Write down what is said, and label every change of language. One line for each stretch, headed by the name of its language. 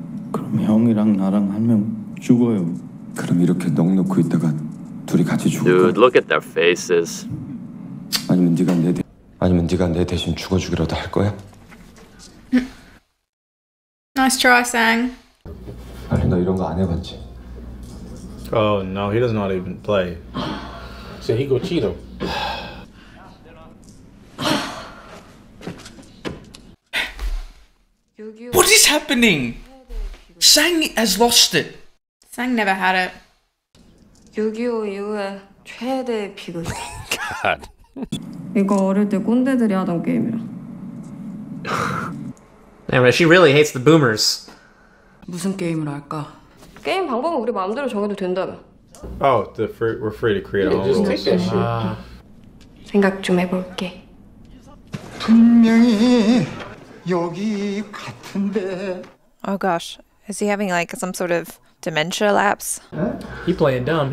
Korean: 그럼 형이랑 나랑 한 명 죽어요. 그럼 이렇게 넋 놓고 있다가 둘이 같이 죽을
English: Dude, look at their faces.
Korean: 아니면 네가 내 대, 아니면 네가 내 대신 죽어 주기라도 할 거야?
English: Nice try, Sang.
Korean: 아니 너 이런 거 안 해봤지?
English: Oh no, he doesn't know how to even play. So he go cheat him. What is happening? Sang has lost it. Sang never had it. God.
Korean: 이거 어릴 때 꼰대들이 하던 게임이야.
English: Anyway, she really hates the boomers.
Korean: 무슨 게임을 할까? 게임 방법은 우리 마음대로 정해도 된다며.
English: Oh, the free, we're free to create our own rules. Just take that shit.
Korean: 생각 좀 해볼게. 분명히 여기 같은데.
English: Oh gosh, is he having like some sort of dementia lapse? He playing dumb.